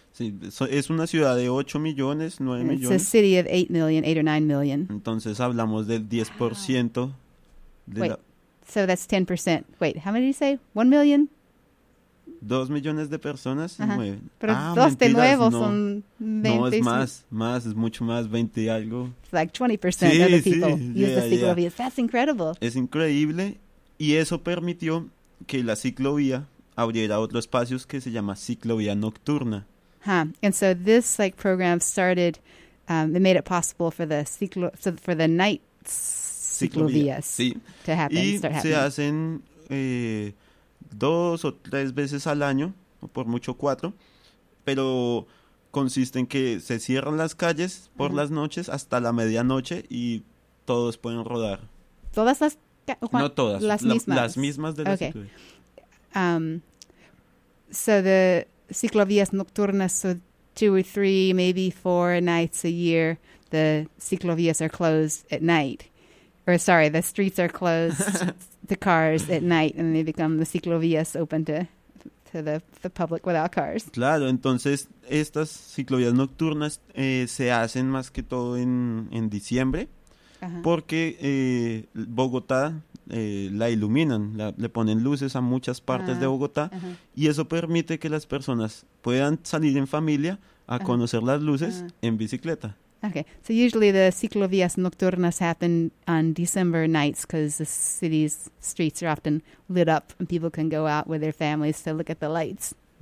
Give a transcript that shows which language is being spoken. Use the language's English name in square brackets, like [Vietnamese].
[Spanish] Sí, es una ciudad de 8 millones, 9 [English] it's [Spanish] millones. [English] It's a city of 8 million, 8 or 9 million. [Spanish] Entonces hablamos del 10% de la... [English] So that's 10%. Wait, how many did you say? 1 million? [Spanish] 2 millones de personas y 9. Pero dos de nuevo son 20. No, es más, es mucho más, 20 y algo. [English] It's like 20% of the people use the ciclovías. That's incredible. [Spanish] Es increíble y eso permitió que la ciclovía abriera otro espacio que se llama ciclovía nocturna. [English] And so this like program started, they made it possible for the night ciclovías to happen. [Spanish] Y se hacen 2 o 3 veces al año, o por mucho 4, pero consiste en que se cierran las calles por las noches hasta la medianoche y todos pueden rodar. ¿Todas las No todas, las mismas. Las mismas de la ciclovía. [English] So the ciclovías nocturnas, so 2 or 3, maybe 4 nights a year, the ciclovías are closed at night. Or sorry, the streets are closed to cars at night and they become the ciclovías open to the public without cars. [Spanish] Claro, entonces estas ciclovías nocturnas se hacen más que todo en diciembre porque Bogotá... la iluminan, le ponen luces a muchas partes de Bogotá y eso permite que las personas puedan salir en familia a conocer las luces en bicicleta. [English] Okay, so usually the ciclovías nocturnas happen on December nights because the city's streets are often lit up and people can go out with their families to look at the lights.